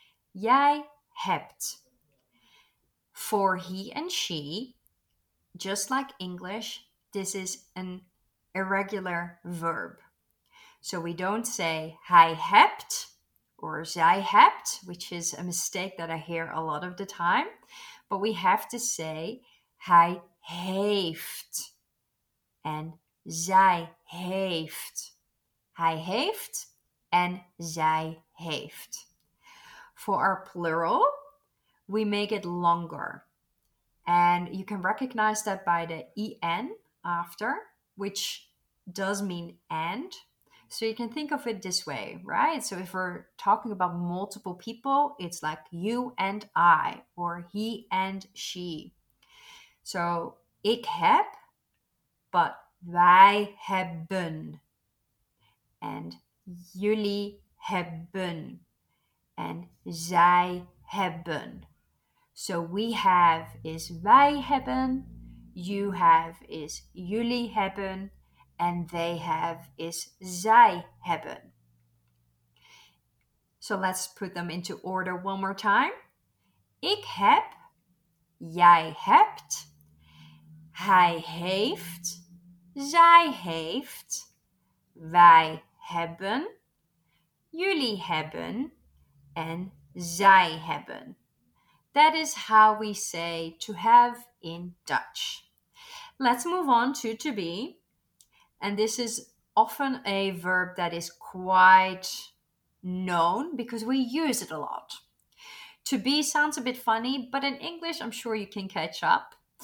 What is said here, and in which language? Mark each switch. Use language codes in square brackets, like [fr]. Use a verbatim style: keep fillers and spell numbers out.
[nl] Jij hebt. [en] For he and she, just like English, this is an irregular verb. So we don't say [nl] hij hebt [en] or [nl] zij hebt, [en] which is a mistake that I hear a lot of the time. But we have to say [nl] hij heeft [en] and [nl] zij heeft. Hij heeft and zij heeft. [en] For our plural, we make it longer. And you can recognize that by the en after, which does mean and. So you can think of it this way, right? So if we're talking about multiple people, it's like you and I or he and she. [nl] So ik heb, but wij hebben. And jullie hebben. And zij hebben. [en] So we have is [nl] wij hebben. [en] You have is [nl] jullie hebben. [en] And they have is [nl] zij hebben. [en] So let's put them into order one more time. [nl] Ik heb, jij hebt, hij heeft, Zij heeft, wij hebben, jullie hebben en zij hebben. [en] That is how we say to have in Dutch. Let's move on to to be. And this is often a verb that is quite known because we use it a lot. To be sounds a bit funny, but in English, I'm sure you can catch up.